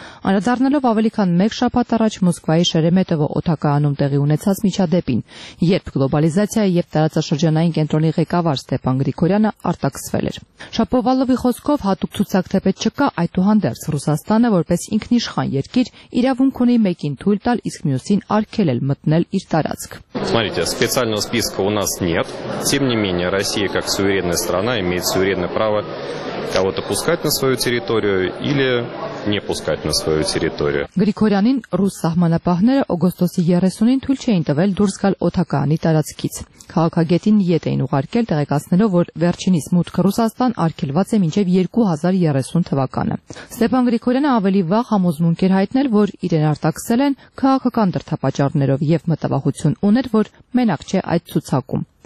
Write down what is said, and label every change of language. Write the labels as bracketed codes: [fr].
[hy] Անդրադառնալով ավելի քան մեկ շաբաթ առաջ Մոսկվայի Շերեմետովո օդակայանում տեղի ունեցած միջադեպին, երբ գլոբալիզացիայի և տարածաշրջանային կենտրոնի ղեկավար Ստեփան Գրիգորյանը արտաքսվել էր։ Շապովալովի խոսքով հատուկ ցուցակ թեպետ չկա, այդուհանդերձ Ռուսաստանը որպես ինքնիշխան երկիր իրավունք ունի մեկին թույլ տալ, իսկ մյուսին արգել էլ մտնել իր տարածք։ [ru] Смотрите, специального списка у нас нет. Тем не менее, Россия как суверенная страна имеет суверенное право кого-то пускать на свою территорию или не пускать на свою территорию. [hy] Գրիգորյանին ռուս սահմանապահները օգոստոսի 30-ին թույլ չէին տվել դուրս գալ օթակայանի տարածքից։ Քաղաքագետին ետ էին ուղարկել տեղեկացնելով, որ վերջինիս մուտքը Ռուսաստան արգելված է մինչև 2030 թվականը։ Ստեփան Գրիգորյանը ավելի վաղ համոզմունք էր հայտնել, որ իրեն արտաքսել են քաղաքական դրդապատճառներով, և մտավախություն ուներ, որ մենակ չէ այդ ցուցակում։